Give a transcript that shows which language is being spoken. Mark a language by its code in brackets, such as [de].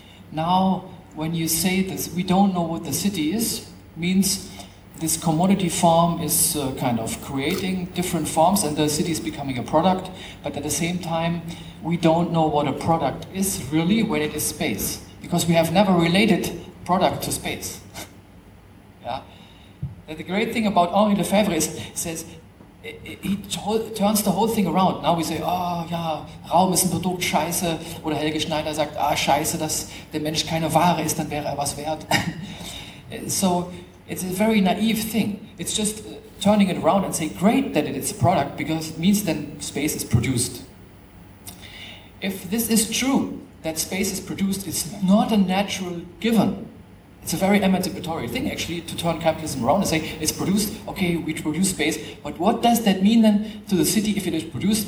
[en] Now, when you say this, we don't know what the city is, means this commodity form is kind of creating different forms and the city is becoming a product, but at the same time we don't know what a product is really when it is space, because we have never related product to space. Yeah. And the great thing about Henri Lefebvre is, says, he turns the whole thing around. Now we say, oh yeah, [de] Raum ist ein Produkt, scheiße, oder Helge Schneider sagt, ah scheiße, dass der Mensch keine Ware ist, dann wäre was wert. [en] So, it's a very naive thing. It's just turning it around and say, great that it is a product, because it means then space is produced. If this is true, that space is produced, it's not a natural given. It's a very emancipatory thing, actually, to turn capitalism around and say, it's produced, okay, we produce space, but what does that mean then to the city if it is produced?